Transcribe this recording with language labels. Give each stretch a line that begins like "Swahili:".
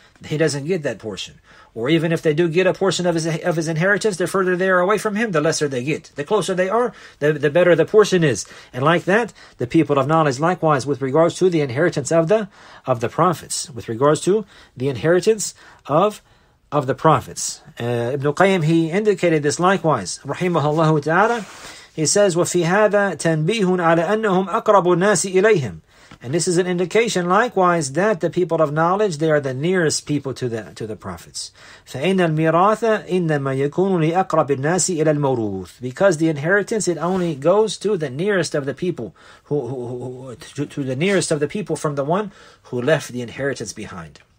English: he doesn't get that portion. Or even if they do get a portion of his inheritance, the further they are away from him, the lesser they get. The closer they are, the better the portion is. And like that, the people of knowledge, likewise, with regards to the inheritance of the prophets, with regards to the inheritance of the prophets. Ibn Qayyim, he indicated this likewise.
Arabic: Rahimahullah ta'ala,
English: he says,
Arabic: وَفِي هَذَا تَنْبِيهٌ عَلَى أَنَّهُمْ أَقْرَبُ النَّاسِ إِلَيْهِمْ.
English: And this is an indication, likewise, that the people of knowledge, they are the nearest people to the prophets.
Arabic: فَإِنَّ الْمِيرَاثَ إِنَّمَا يَكُونُ لِأَقْرَبِ النَّاسِ إِلَى الْمَوْرُوثِ.
English: Because the inheritance, it only goes to the nearest of the people, who to the nearest of the people from the one who left the inheritance behind.